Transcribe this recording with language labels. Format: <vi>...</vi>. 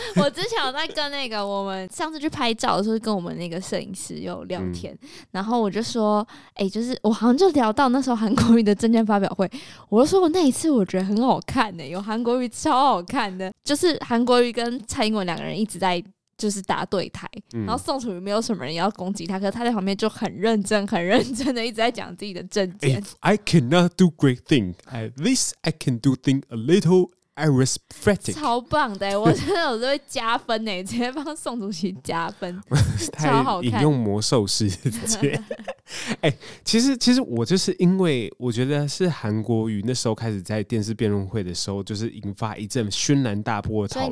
<zh>我之前有在跟那个我们上次去拍照的时候，跟我们那个摄影师有聊天，然后我就说，就是我好像就聊到那时候韩国瑜的政见发表会，我就说我那一次我觉得很好看呢，有韩国瑜超好看的，就是韩国瑜跟蔡英文两个人一直在。就是打对台，然后宋楚瑜没有什么人要攻击他，可是他在旁边就很认真很认真的一直在讲自己的政见。</zh> <en>If I cannot do great thing, at least I can do thing a little aristocratic.</en> <zh>超棒的，我真的有时候会加分耶，直接帮宋楚瑜加分。超好看，引用魔兽世界。其实我就是因为我觉得是韩国瑜那时候开始在电视辩论会的时候就是引发一阵轩然大波的讨论，</zh>